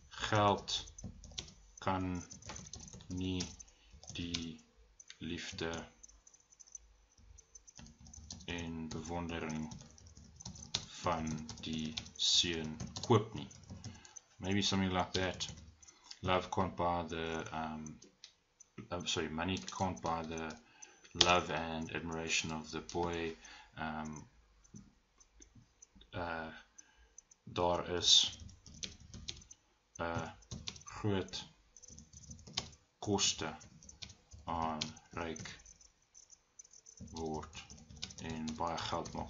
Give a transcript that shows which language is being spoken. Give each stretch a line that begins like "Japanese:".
Afrikaans: Geld kan nie die liefde en bewondering van die seun koop nie.
English: Maybe something like that. Love can't buy the money can't buy the love and admiration of the boy.
Afrikaans: Daar is 'n groot koste aan ryk word en baie geld maak.